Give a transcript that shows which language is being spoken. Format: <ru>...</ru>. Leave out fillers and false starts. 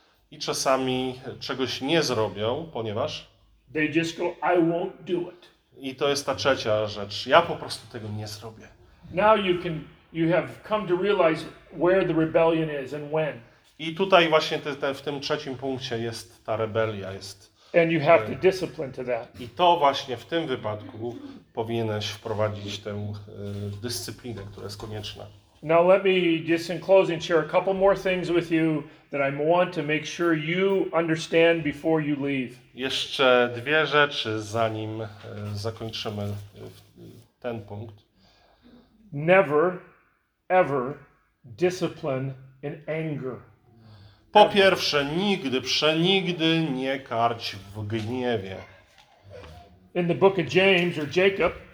<pl>I czasami czegoś nie zrobią, ponieważ</pl> <en>they just go, I won't do it.</en> <pl>I to jest ta trzecia rzecz. Ja po prostu tego nie zrobię.</pl> <en>Now you have come to realize where the rebellion is and when.</en> <pl>I tutaj właśnie w tym trzecim punkcie jest ta rebelia jest.</pl> <en>And you have to discipline to that.</en> <pl>I to właśnie w tym wypadku powinieneś wprowadzić tę dyscyplinę, która jest konieczna.</pl> <en>Now let me just in closing share a couple more things with you that I want to make sure you understand before you leave.</en> <pl>Jeszcze dwie rzeczy zanim zakończymy ten punkt.</pl> <en>Never ever discipline in anger.</en> <pl>Po pierwsze, nigdy, przenigdy nie karć w gniewie.</pl> <en>In the book of James or Jacob,</en>